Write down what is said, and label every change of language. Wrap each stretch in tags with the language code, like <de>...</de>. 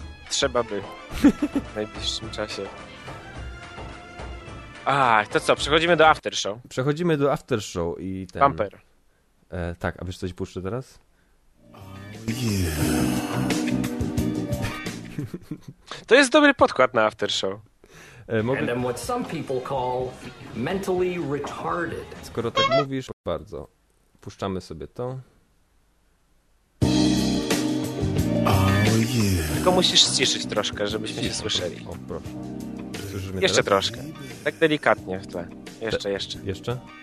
<pl>Trzeba by. W najbliższym czasie. A, to co, przechodzimy do aftershow. Przechodzimy do aftershow i ten... Bumper. Tak, a wiesz coś puszczę teraz? To jest dobry podkład na aftershow.</pl> <en>And then what some people call mentally retarded.</en> <pl>Skoro tak mówisz, bardzo. Puszczamy sobie to. Tylko musisz ciszyć troszkę, żebyśmy się słyszeli. O, proszę. Słyszysz mnie jeszcze teraz? Troszkę. Tak delikatnie w tle. Jeszcze, jeszcze. Jeszcze?</pl>